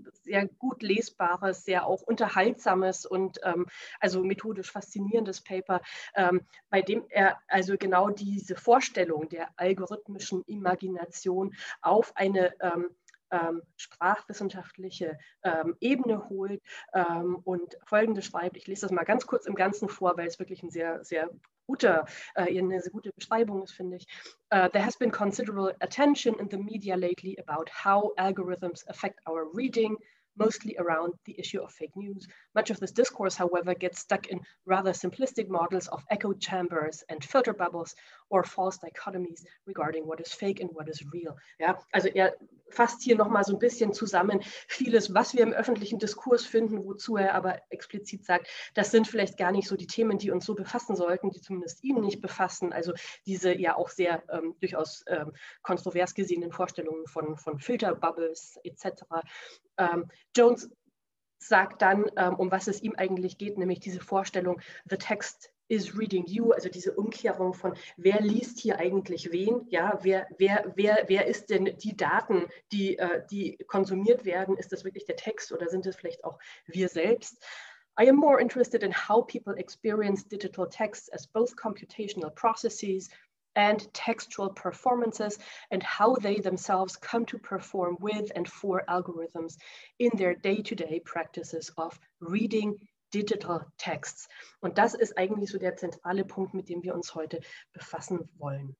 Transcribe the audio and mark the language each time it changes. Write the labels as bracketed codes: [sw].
[de] Sehr gut lesbares, sehr auch unterhaltsames und also methodisch faszinierendes Paper, bei dem er also genau diese Vorstellung der algorithmischen Imagination auf eine sprachwissenschaftliche Ebene holt und Folgendes schreibt. Ich lese das mal ganz kurz im Ganzen vor, weil es wirklich ein sehr, sehr guter, eine sehr gute Beschreibung ist, finde ich. [en] There has been considerable attention in the media lately about how algorithms affect our reading, mostly around the issue of fake news. Much of this discourse, however, gets stuck in rather simplistic models of echo chambers and filter bubbles or false dichotomies regarding what is fake and what is real. [de] Ja, also er fasst hier nochmal so ein bisschen zusammen vieles, was wir im öffentlichen Diskurs finden, wozu er aber explizit sagt, das sind vielleicht gar nicht so die Themen, die uns so befassen sollten, die zumindest ihn nicht befassen. Also diese ja auch sehr durchaus kontrovers gesehenen Vorstellungen von Filterbubbles etc. Jones sagt dann, um was es ihm eigentlich geht, nämlich diese Vorstellung, [en] the text is reading you, [de] also diese Umkehrung von wer liest hier eigentlich wen, ja, wer ist denn die Daten, die konsumiert werden, ist das wirklich der Text oder sind es vielleicht auch wir selbst? [en] I am more interested in how people experience digital texts as both computational processes and textual performances and how they themselves come to perform with and for algorithms in their day-to-day practices of reading digital texts. [de] Und das ist eigentlich so der zentrale Punkt, mit dem wir uns heute befassen wollen.